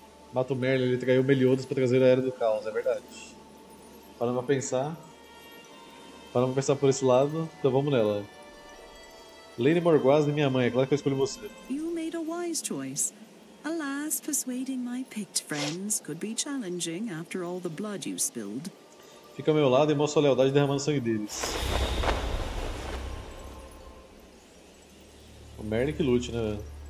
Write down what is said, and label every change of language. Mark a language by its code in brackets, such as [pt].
[pt] Mato Merlin, ele traiu Meliodas pra trazer a Era do Caos, é verdade. Parando pra pensar. Parando pra pensar por esse lado, então vamos nela. Lady Morgoth e minha mãe, é claro que eu escolho você. [en] You made a wise choice. Alas, persuading my picked friends could be challenging after all the blood you spilled. [pt] Fica ao meu lado e mostra a lealdade derramando o sangue deles. O Merlin que lute, né?